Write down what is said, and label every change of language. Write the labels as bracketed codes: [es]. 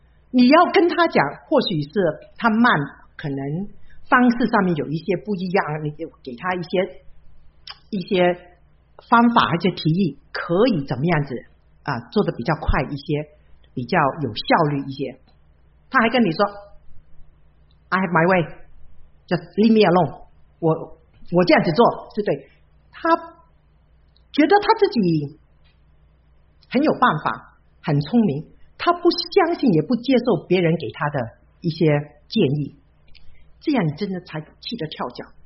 [zh] 你要跟他讲，或许是他慢，可能方式上面有一些不一样，你给他一些方法，一些提议，可以怎么样子啊，做得比较快一些，比较有效率一些。他还跟你说 ， [en] I have my way， just leave me alone， [zh] 我这样子做是对。他觉得他自己很有办法，很聪明，他不相信也不接受别人给他的一些建议，这样你真的才气得跳脚。